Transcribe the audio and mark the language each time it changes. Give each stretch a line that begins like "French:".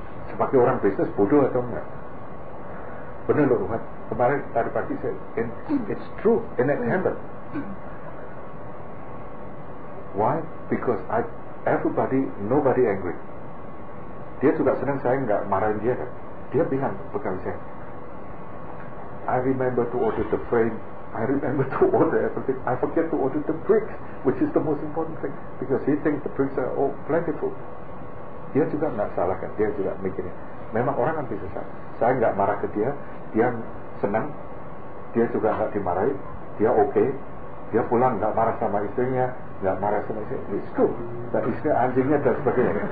Indonesian: Sebagai orang bisnis bodoh atau enggak? Benar loh, Umat. Kemarin tadi pagi saya,
English: it's true, and it happened. Why? Because nobody angry.
Indonesian: Dia juga senang saya enggak marahin dia kan. Dia bilang pegawai saya,
English: I remember to order the frame, I remember to order everything. I forget to order the bricks, which is the most important thing, because he thinks the bricks are all plentiful.
Indonesian: Dia juga nggak salah kan? Dia juga mikirnya. Memang orang kan bisa salah. Saya nggak marah ke dia. Dia senang. Dia juga nggak dimarahi. Dia okay. Dia pulang nggak marah sama istrinya, nggak marah sama istri.
English: It's cool.
Indonesian: Dan istri anjingnya dan sebagainya.